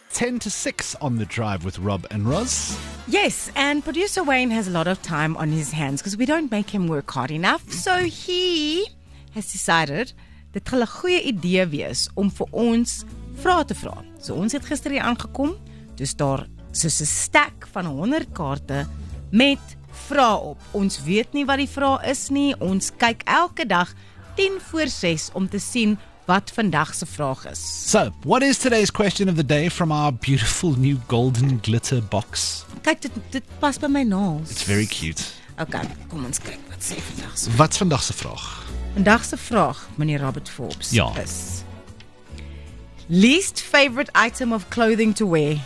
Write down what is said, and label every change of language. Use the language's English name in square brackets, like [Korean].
[English] 10 to 6 on The Drive with Rob and Roz. Yes, and producer Wayne has a lot of time on his hands because we don't make him work hard enough. So he has decided [Afrikaans] dat het 'n goeie idee wees om vir ons vrae te vra. So ons het gister hier aangekom, dus daar soos 'n stack van 100 kaarte met vrae op. Ons weet nie wat die vrae is nie. Ons kyk elke dag 10 voor 6 om te sien wat vandag se vraag is. [English] So, what is today's question of the day from our beautiful new golden glitter box? [Afrikaans] Kyk, dit pas by my nails. [English] It's very cute. [Afrikaans] Okay, kom ons kyk wat sê vandag. Wat's vandag se vraag? Vandag se vraag, meneer Robert Forbes, ja, [English] is least favorite item of clothing to wear.